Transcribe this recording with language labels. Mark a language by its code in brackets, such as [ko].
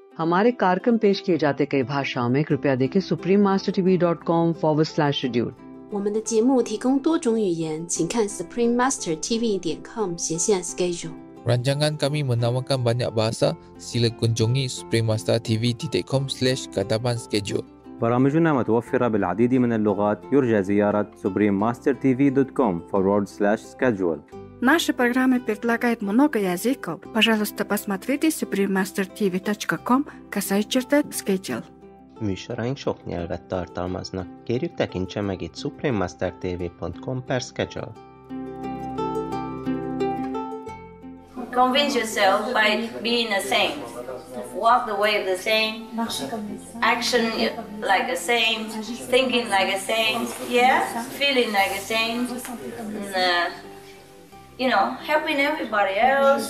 [hi] हमारे कार्यक्रम पेश किए जाते कई भाषाओं में कृपया देखें suprememastertv.com/schedule. [zh] 我们的节目提供多种语言，请看 suprememastertv.com/schedule. [ms] Rancangan kami menawarkan banyak bahasa. Sila kunjungi suprememastertv.com/katabanschedule. [ar] برامجنا متوفرة بالعديد من اللغات. يرجى زيارة suprememastertv.com/schedule. [ru] Наша программа предлагает много языков. Пожалуйста, посмотрите suprememastertv.com/schedule. [hu] Műsoraink sok nyelvet tartalmaznak. Kérjük tekintse meg itt suprememastertv.com/schedule. [en] Convince yourself by being a saint. Walk the way of the saint. Action like a saint. Thinking like a saint. Yeah? Feeling like a saint. And, you know, helping everybody else.